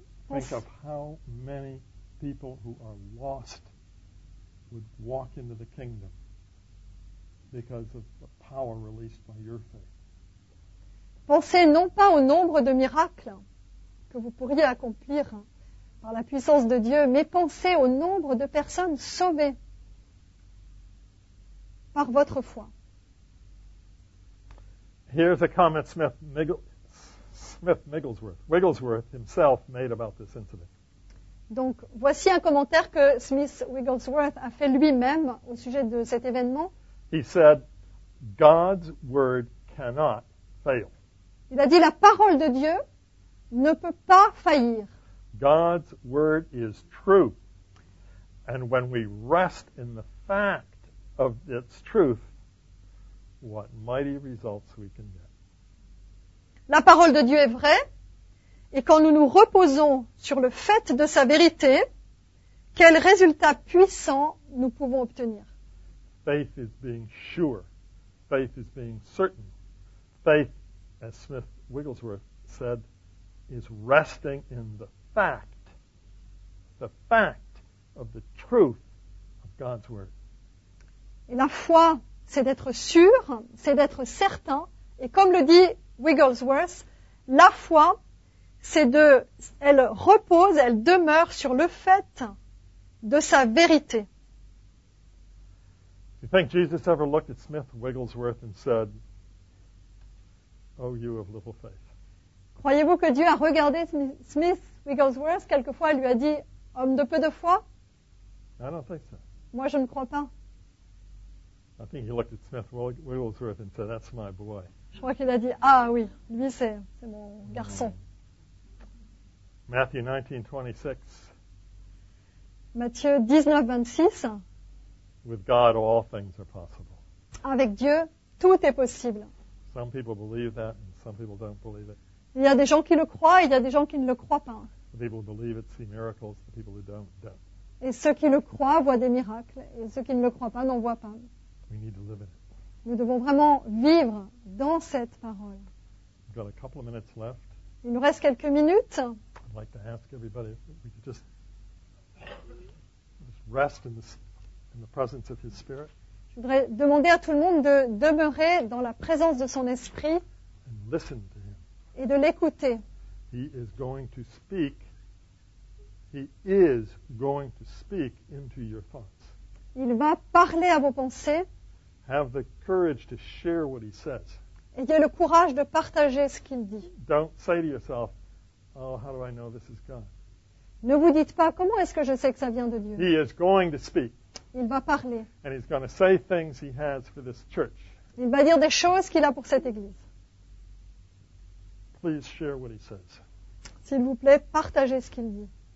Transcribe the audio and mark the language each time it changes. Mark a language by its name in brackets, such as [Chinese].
[English] Think of how many people who are lost would walk into the kingdom because of the power released by your faith. [French] Pensez non pas au nombre de miracles que vous pourriez accomplir par la puissance de Dieu, mais pensez au nombre de personnes sauvées par votre foi. [English] Here's a comment Smith Wigglesworth himself made about this incident. [French] Donc, voici un commentaire que Smith Wigglesworth a fait lui-même au sujet de cet événement. [English] He said, God's word cannot fail. [French] Il a dit, la parole de Dieu ne peut pas faillir. [English] God's word is true. And when we rest in the fact of its truth, what mighty results we can get. [French] La parole de Dieu est vraie. Et quand nous nous reposons sur le fait de sa vérité, quel résultat puissant nous pouvons obtenir? [English] Faith is being sure. Faith is being certain. Faith, as Smith Wigglesworth said, is resting in the fact of the truth of God's word. [French] Et la foi, c'est d'être sûr, c'est d'être certain. Et comme le dit Wigglesworth, la foi, c'est de, elle repose, elle demeure sur le fait de sa vérité. [English] You think Jesus ever looked at Smith Wigglesworth and said, "Oh, you of little faith"? [French] Croyez-vous que Dieu a regardé Smith Wigglesworth quelquefois et lui a dit, homme de peu de foi? [English] I don't think so. [French] Moi, je ne crois pas. [English] I think he looked at Smith Wigglesworth and said, "That's my boy." [French] Je crois qu'il a dit, ah oui, lui c'est mon garçon. [English] Matthew 19:26. [French] Matthieu 19:26. [English] With God, all things are possible. [French] Avec Dieu, tout est possible. [English] Some people believe that, and some people don't believe it. [French] Il y a des gens qui le croient, et il y a des gens qui ne le croient pas. [English] The people who believe it see miracles, the people who don't, don't. [French] Et ceux qui le croient voient des miracles, et ceux qui ne le croient pas n'en voient pas. [English] We need to live in it. [French] Nous devons vraiment vivre dans cette parole. [English] We've got a couple of minutes left. [French] Il nous reste quelques minutes. [English] I'd like to ask everybody if we could just rest in the presence of His Spirit. [French] Je voudrais demander à tout le monde de demeurer dans la présence de son esprit [English] and listen to him. [French] Et de l'écouter. [English] He is going to speak. He is going to speak into your thoughts. [French] Il va parler à vos pensées. [English] Have the courage to share what he says. [French] Ayez le courage de partager ce qu'il dit. [English] Don't say to yourself, "Oh, how do I know this is God?" [French] Ne vous dites pas, comment est-ce que je sais que ça vient de Dieu? [English] He is going to speak. [French] Il va parler. [English] And he's going to say things he has for this church. [French] Il va dire des choses qu'il a pour cette église. [English] Please share what he says. [French] S'il vous plaît, partagez ce qu'il dit.